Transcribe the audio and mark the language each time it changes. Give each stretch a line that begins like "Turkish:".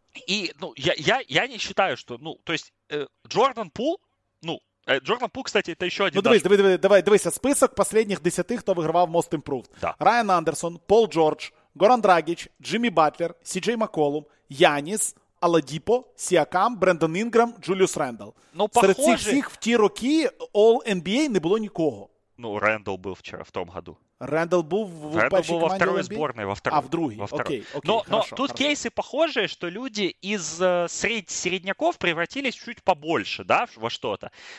Russian: И, ну, я не считаю, что, ну, то есть, Джордан Пул, ну, Джордан Пул, кстати, это еще один...
Ukrainian: Ну, дивись,
Russian: список последних 10, кто выигрывал Most Improved. Да. Райан Андерсон, Пол Джордж, Горан Драгич, Джимми Батлер, Си-Джей Макколум, Янис...
Ukrainian: Аладіпо, Сіакам, Брендон Інграм, Джуліус Рендал. Ну, серед цих всіх в ті роки All NBA не було нікого. Ну, Рендал був вчора в тому году. Рендл був в
Russian: був во второй сборной, во второй.
Ukrainian: А, в другий, окей, окей,
Russian: Но тут хорошо. Кейсы похожие, что люди из средняков превратились чуть побольше, да, во что-то.